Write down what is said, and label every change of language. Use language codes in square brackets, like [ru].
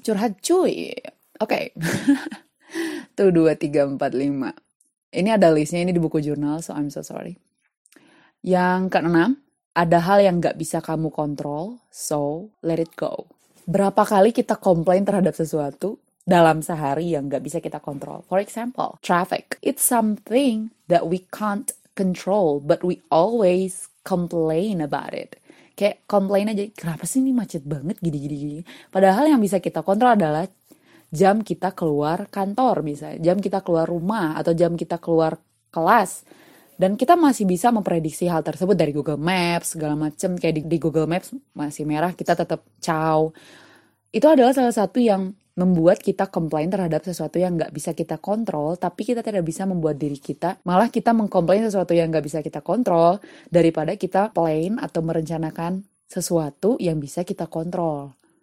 [id] Curhat cuy. Oke. Tuh, 2, 3, 4, 5. Ini ada listnya, ini di buku jurnal, [en] so I'm so sorry. [id] Yang keenam, ada hal yang gak bisa kamu kontrol, [en] so let it go. [id] Berapa kali kita komplain terhadap sesuatu dalam sehari yang gak bisa kita kontrol? [en] For example, traffic. It's something that we can't control, but we always complain about it. [id] Kayak komplain aja, kenapa sih ini macet banget, gini-gini. Padahal yang bisa kita kontrol adalah jam kita keluar kantor misalnya, jam kita keluar rumah, atau jam kita keluar kelas. Dan kita masih bisa memprediksi hal tersebut dari Google Maps, segala macam. Kayak di Google Maps masih merah, kita tetap caw. Itu adalah salah satu yang membuat kita komplain terhadap sesuatu yang nggak bisa kita kontrol, tapi kita tidak bisa membuat diri kita, malah kita mengkomplain sesuatu yang nggak bisa kita kontrol, daripada kita plan atau merencanakan sesuatu yang bisa kita kontrol.